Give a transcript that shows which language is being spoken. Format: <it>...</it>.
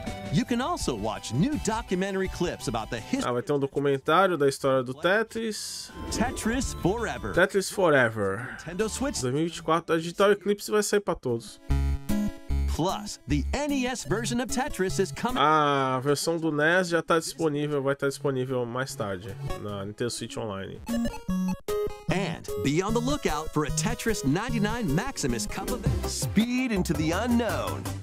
<en>You can also watch new documentary clips about the history.</en> <pt>Ah, vai ter um documentário da história do Tetris.</pt> <en>Tetris Forever. Tetris Forever. Nintendo Switch</en> <pt>2024, a Digital Eclipse vai sair para todos.</pt> <en>Plus, the NES version of Tetris is coming.</en> <pt>Ah, a versão do NES já está disponível, vai estar disponível mais tarde na Nintendo Switch Online.</pt> <en>And be on the lookout for a Tetris 99 Maximus Cup of Speed into the Unknown.</en>